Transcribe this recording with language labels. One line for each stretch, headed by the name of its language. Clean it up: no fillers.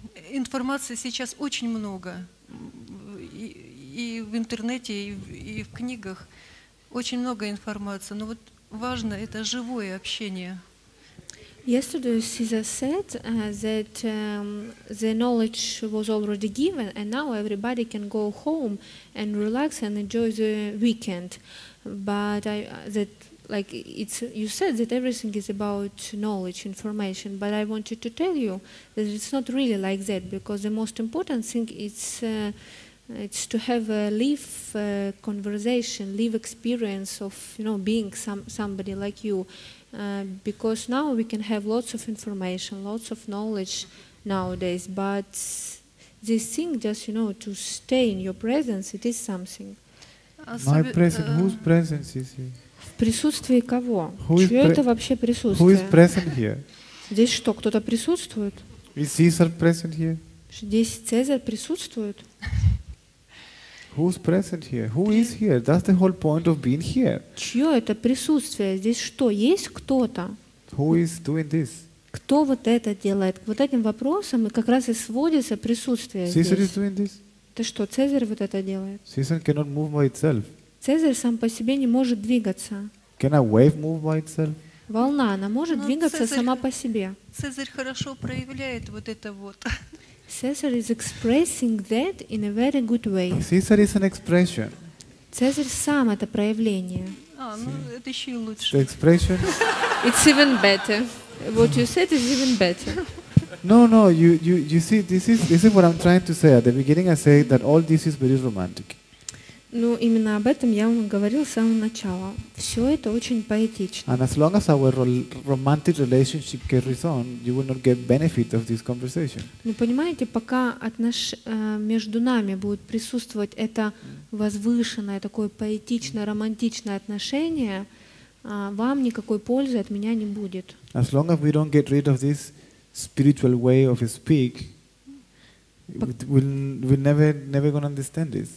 Russian: Информации сейчас очень много, и в интернете, и в книгах очень много информации, но вот важно это живое общение.
English: Yesterday Caesar said that the knowledge was already given and now everybody can go home and relax and enjoy the weekend, but like it's you said that everything is about knowledge, information, but I wanted to tell you that it's not really like that, because the most important thing it's to have a live conversation, live experience of, you know, being somebody like you, because now we can have lots of information, lots of knowledge nowadays, but this thing, just, you know, to stay in your presence, it is something. My presence, whose presence is here?
Russian: В присутствии кого? Чье это вообще присутствие?
English: Who is present here?
Russian: Здесь что, кто-то присутствует?
English: Is Caesar present here?
Russian: Здесь Цезарь присутствует?
English: Who's present here? Who is here? That's the whole point of being here.
Russian: Чье это присутствие? Здесь что, есть кто-то?
English: Who is doing this?
Russian: Кто вот это делает? Вот этим вопросом и как раз и сводится присутствие здесь.
English: Caesar is doing this?
Russian: Это что, Цезарь вот это делает?
English: Caesar cannot move by itself.
Russian: Цезарь сам по себе не может двигаться.
English: Can a wave move by itself?
Russian: Волна, она может двигаться Цезарь, сама по себе. Цезарь хорошо проявляет вот это вот.
English: Caesar is expressing that in a very good way. Caesar is an expression.
Russian: Цезарь сам это проявление. Ну это еще лучше.
English: The expression. It's even better. What you said is even better. No, you see, this is what I'm trying to say. At the beginning I say that all this is very romantic.
Russian: Ну, именно об этом я вам говорил с самого начала. Все это очень поэтично.
English: And as long as our romantic relationship carries on, you will not get benefit of this conversation.
Russian: Ну, понимаете, пока между нами будет присутствовать это возвышенное, такое поэтичное, романтичное отношение, вам никакой пользы от меня не будет.
English: As long as we don't get rid of this spiritual way of speak, We'll never gonna understand this.